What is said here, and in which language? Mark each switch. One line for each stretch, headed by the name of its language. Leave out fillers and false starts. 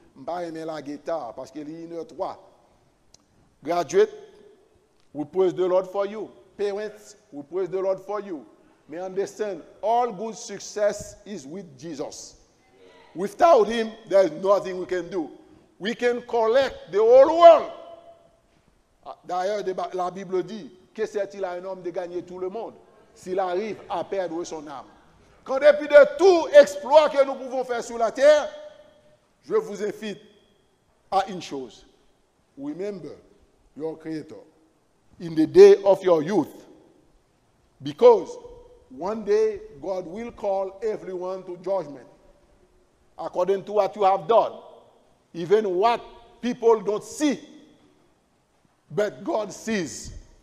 French: M'a pas aimé la guitare parce qu'il est 1h03.
English: Graduate, we praise the Lord for you. Parents, we praise the Lord for you. May understand, all good success is with Jesus. Without him, there is nothing we can do. We can collect the whole world.
French: D'ailleurs, la Bible dit, que sert-il à un homme de gagner tout le monde s'il arrive à perdre son âme? Qu'en dépit de tout exploit que nous pouvons faire sur la terre, je vous invite à une chose.
English: Remember your Creator in the day of your youth. Because one day God will call everyone to judgment according to what you have done, even what people don't see, but God sees.